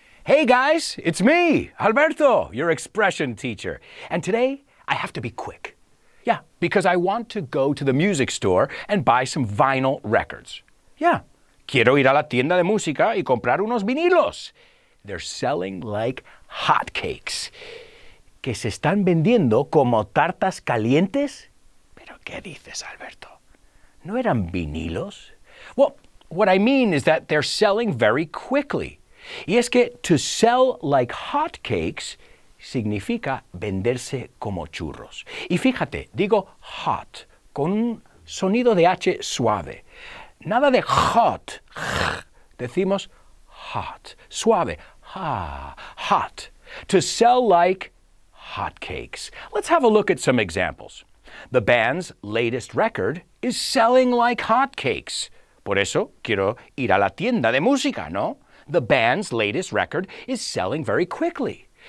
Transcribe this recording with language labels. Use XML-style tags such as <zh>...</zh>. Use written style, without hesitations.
<en>Hey guys, it's me, Alberto, your expression teacher. And today, I have to be quick. Yeah, because I want to go to the music store and buy some vinyl records.</en> <es>Yeah, quiero ir a la tienda de música y comprar unos vinilos.</es> <en>They're selling like hotcakes.</en> <es>¿Que se están vendiendo como tartas calientes? ¿Pero qué dices, Alberto? ¿No eran vinilos?</es> <en>Well, what I mean is that they're selling very quickly.</en> <es>Y es que</es> <en>to sell like hotcakes</en> <es>significa venderse como churros. Y fíjate, digo hot con un sonido de H suave. Nada de hot, decimos hot, suave, hot.</es> <en>To sell like hotcakes. Let's have a look at some examples. The band's latest record is selling like hotcakes.</en> <es>Por eso quiero ir a la tienda de música, ¿no?</es> <en>The band's latest record is selling very quickly.</en>